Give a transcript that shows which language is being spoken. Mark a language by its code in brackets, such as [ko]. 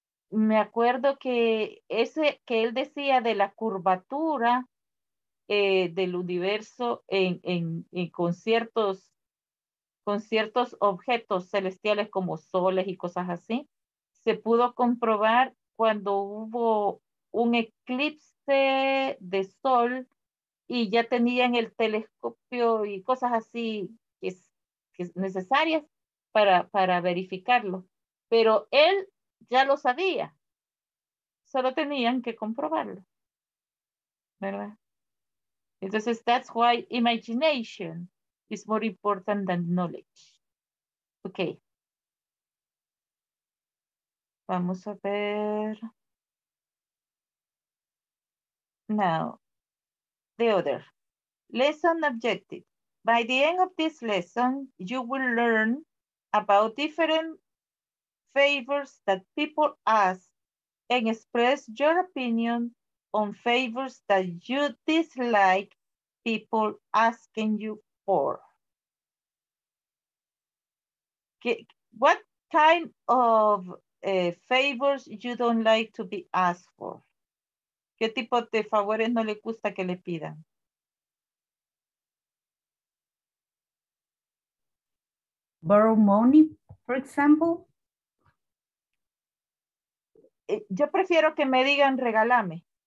[es] Me acuerdo que ese que él decía de la curvatura del universo con ciertos objetos celestiales como soles y cosas así, se pudo comprobar cuando hubo un eclipse de sol y ya tenían el telescopio y cosas así que es necesarias para verificarlo. Pero él ya lo sabía, solo tenían que comprobarlo, ¿verdad? [en] Entonces, that's why imagination is more important than knowledge. Okay. [es] Vamos a ver. [en] Now, the other. Lesson objective. By the end of this lesson, you will learn about different favors that people ask and express your opinion on favors that you dislike people asking you for. What kind of favors you don't like to be asked for? [es] ¿Qué tipo de favores no le gusta que le pidan? [en] Borrow money, for example. [es] Yo prefiero que me digan regálame.